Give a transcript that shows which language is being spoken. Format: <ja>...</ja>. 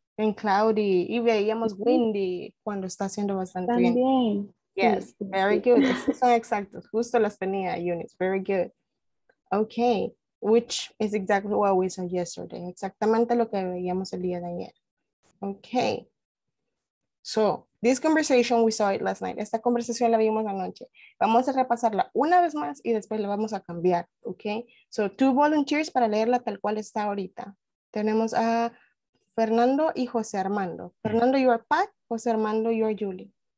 <en>And cloudy.</en> <es>Y veíamos windy cuando está haciendo bastante también. Bien.</es> <en>Yes, very good.</en> <es>Son exactos. Justo las tenía,</es> <en>units. Very good. Okay. Which is exactly what we saw yesterday.</en> <es>Exactamente lo que veíamos el día de ayer.</es> <en>Okay, so this conversation, we saw it last night.</en> <es>Esta conversación la vimos anoche. Vamos a repasarla una vez más y después la vamos a cambiar, okay?</es> <en>So two volunteers</en> <es>para leerla tal cual está ahorita. Tenemos a Fernando y José Armando. Fernando,</es> <en>you are Pat. José Armando, you are Julie.</en>